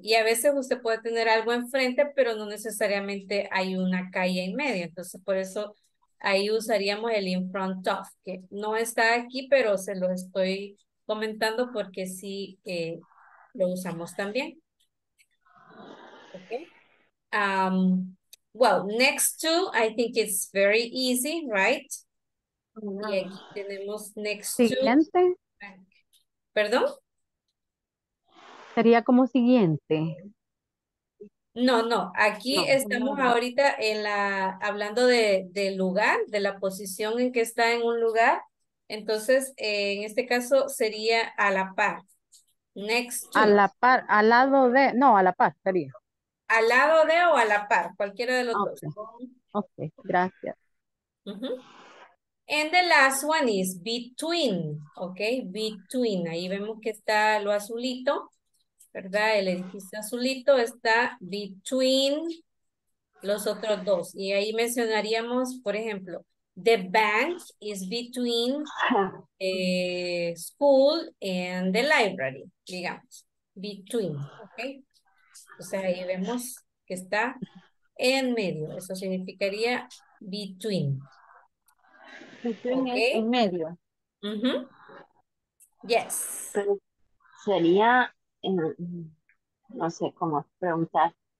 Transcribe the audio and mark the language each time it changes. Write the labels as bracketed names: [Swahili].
[Spanish] Y a veces usted puede tener algo enfrente, pero no necesariamente hay una calle en medio. Entonces, por eso ahí usaríamos el in front of, que no está aquí, pero se lo estoy comentando porque sí lo usamos también. ¿Ok? [English] Well, next to, I think it's very easy, right? [Spanish] Y aquí tenemos next siguiente. To. ¿Perdón? Sería como siguiente. No, no. Aquí no, estamos no, no. Ahorita en la hablando de lugar, de la posición en que está en un lugar. Entonces, en este caso sería a la par. [English] Next to. [Spanish] A la par, al lado de, no, a la par sería. Al lado de o a la par, cualquiera de los dos. Ok, gracias. [English] And the last one is between, okay, between. [Spanish] Ahí vemos que está lo azulito, ¿verdad? El edificio azulito está between los otros dos. Y ahí mencionaríamos, por ejemplo, [English] The bank is between a school and the library, digamos. Between, okay? [Spanish] O sea, ahí vemos que está en medio. Eso significaría between. Between, okay. Es en medio. [English] Mm-hmm. Yes. [Spanish] Pero sería, no sé cómo preguntar.